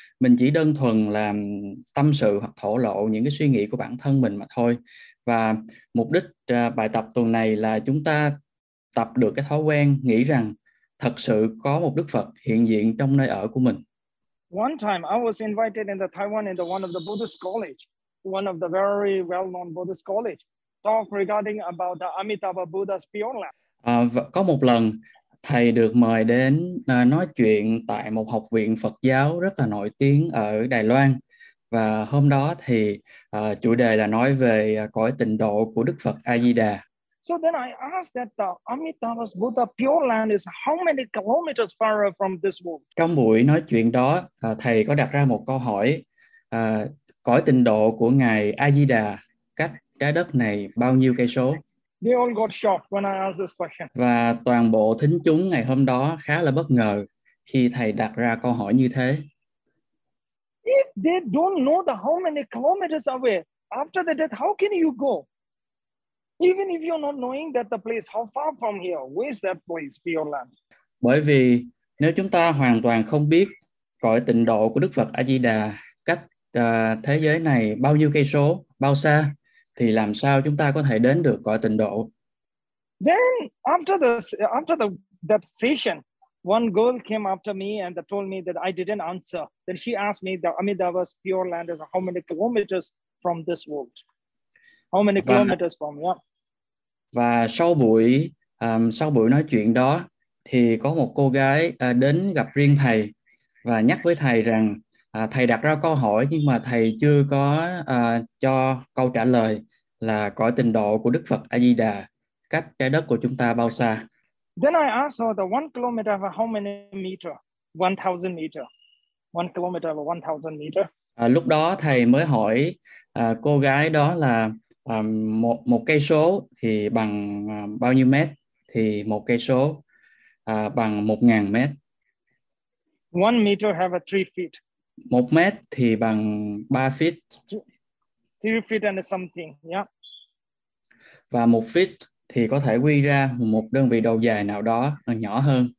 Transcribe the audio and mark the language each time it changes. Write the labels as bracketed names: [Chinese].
[Vietnamese] Mình chỉ đơn thuần là tâm sự hoặc thổ lộ những cái suy nghĩ của bản thân mình mà thôi. Và mục đích bài tập tuần này là chúng ta tập được cái thói quen nghĩ rằng thật sự có một Đức Phật hiện diện trong nơi ở của mình. [English] One time I was invited in the Taiwan in the one of the Buddhist college, one of the very well-known Buddhist college, talk regarding about the Amitabha Buddha's Pure Land. [Vietnamese] Có một lần thầy được mời đến nói chuyện tại một học viện Phật giáo rất là nổi tiếng ở Đài Loan. Và hôm đó thì chủ đề là nói về cõi tịnh độ của Đức Phật A Di Đà. [English] So then I asked that the Amitabha Buddha Pure Land is how many kilometers far from this world? [Vietnamese] Trong buổi nói chuyện đó, thầy có đặt ra một câu hỏi, cõi tịnh độ của ngài A Di Đà cách trái đất này bao nhiêu cây số? [English] They all got shocked when I asked this question. [Vietnamese] Và toàn bộ thính chúng ngày hôm đó khá là bất ngờ khi thầy đặt ra câu hỏi như thế. [English] If they don't know the how many kilometers away after the death, how can you go? Even if you're not knowing that the place, how far from here, where's that place for your land? [Vietnamese] Bởi vì nếu chúng ta hoàn toàn không biết cõi tịnh độ của Đức Phật A Di Đà cách thế giới này bao nhiêu cây số, bao xa, thì làm sao chúng ta có thể đến được cõi tịnh độ? [English] Then after that session, one girl came up to me and told me that I didn't answer. Then she asked me the Amitabha's pure land is how many kilometers from this world? How many kilometers from here? Yeah. [Vietnamese] Và sau buổi nói chuyện đó, thì có một cô gái đến gặp riêng thầy và nhắc với thầy rằng thầy đặt ra câu hỏi nhưng mà thầy chưa có cho câu trả lời là cõi tịnh độ của Đức Phật A Di Đà cách trái đất của chúng ta bao xa. [English] Then I asked her the 1 kilometer of how many meter? 1,000 meter. 1 kilometer of 1,000 meter. [Vietnamese] Lúc đó thầy mới hỏi cô gái đó là một cây số thì bằng bao nhiêu mét? Thì một cây số bằng 1,000 mét. [English] 1 meter have a 3 feet. [Vietnamese] 1 mét thì bằng 3 feet. [English] 3 feet and something, yeah. [Vietnamese] Và 1 feet thì có thể quy ra một đơn vị đầu dài nào đó nhỏ hơn.